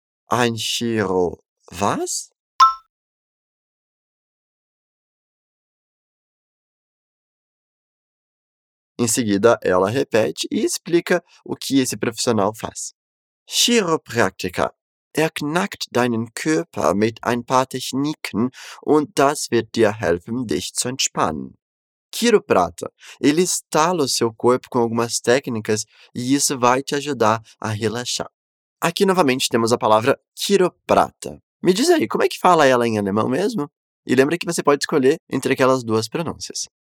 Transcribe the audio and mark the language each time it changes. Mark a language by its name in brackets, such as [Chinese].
[German] Ein Chiro was? [Portuguese] Em seguida, ela repete e explica o que esse profissional faz. [German] Chiropraktika. Knackt deinen Körper mit ein paar Techniken und das wird dir helfen, dich zu entspannen. [Portuguese] Quiroprata. Ele estala o seu corpo com algumas técnicas e isso vai te ajudar a relaxar. Aqui, novamente, temos a palavra quiroprata. Me diz aí, como é que fala ela em alemão mesmo? E lembra que você pode escolher entre aquelas duas pronúncias.